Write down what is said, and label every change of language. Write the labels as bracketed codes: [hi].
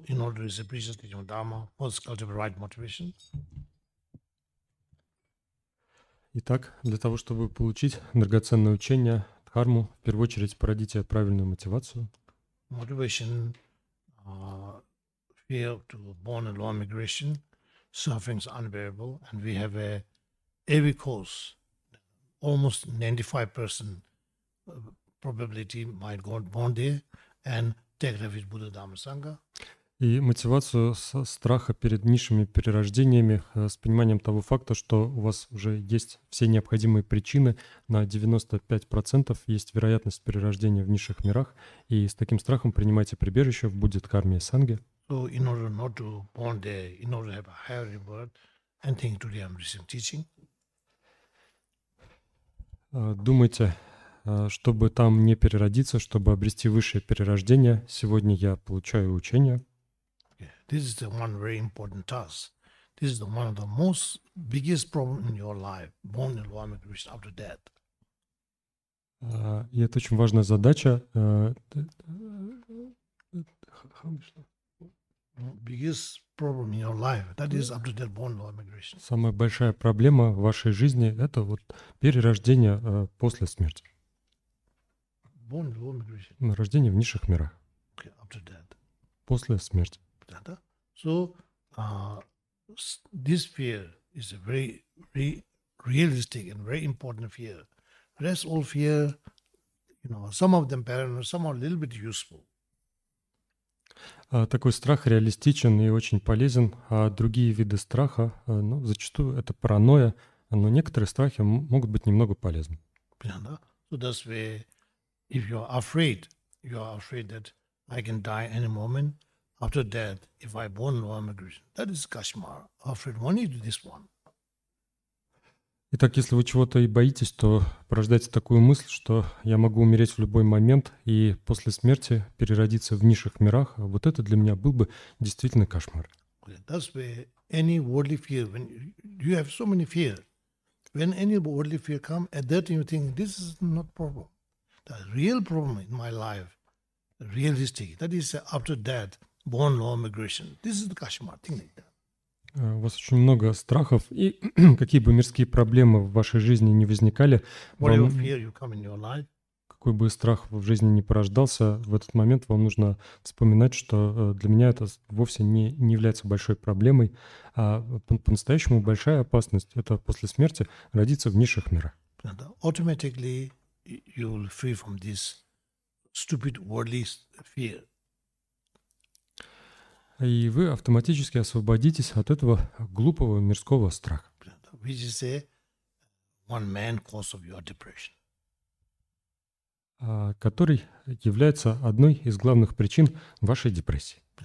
[en] in order to appreciate your dharma, first cultivate the right motivation. [ru] Итак, для того, чтобы получить драгоценное учение, дхарму, в первую очередь породите правильную мотивацию. [en] Motivation, fear to born in low migration, suffering is unbearable, and we have a every course, almost 95% probability might go born there and take refuge Buddha Dhamma Sangha. [ru] И мотивацию со страха перед низшими перерождениями с пониманием того факта, что у вас уже есть все необходимые причины, на 95% есть вероятность перерождения в низших мирах, и с таким страхом принимайте прибежище в Будде Дхарме и Санге. [en] So in order not to born there, in order to have a higher rebirth, and think today I'm receiving teaching. [ru] Думайте, чтобы там не переродиться, чтобы обрести высшее перерождение, сегодня я получаю учение. [en] This is the one very important task. This is the one of the most biggest problem in your life, born in low migration after death. [ru] И это очень важная задача. [en] Biggest problem in your life, that is after death, born in low migration. [ru] Самая большая проблема в вашей жизни – это вот перерождение после смерти. [en] Born in low migration. [ru] Рождение в низших мирах. [en] Okay, after death. [ru] После смерти. [en] So, this fear is a very, very realistic and very important fear. Rest all fear, you know, some of them paranoid, some are a little bit useful. [ru] Такой страх реалистичен и очень полезен, а другие виды страха, ну, зачастую это паранойя, но некоторые страхи могут быть немного полезны. Понятно? [en] So that's where, if you're afraid that I can die any moment, after death, if I born in low migration, that is kashmar. Afraid only to this one. [ru] Итак, если вы чего-то и боитесь, то порождайте такую мысль, что я могу умереть в любой момент и после смерти переродиться в низших мирах. Вот это для меня был бы действительно кошмар. [en] Okay, that's where any worldly fear. When you have so many fear, when any worldly fear come, at that you think this is not problem. The real problem in my life, realistic. That is after death. Born low migration. This is the Kashmir thing like that. [ru] У вас очень много страхов, и какие бы мирские проблемы в вашей жизни не возникали, какой бы страх в жизни не порождался, в этот момент вам нужно вспоминать, что для меня это вовсе не является большой проблемой, а по-настоящему большая опасность – это после смерти родиться в низших мирах. [en] Automatically you will free from this stupid worldly fear. [ru] И вы автоматически освободитесь от этого глупого мирского страха. Which is a one main cause of your depression. Который является одной из главных причин вашей депрессии.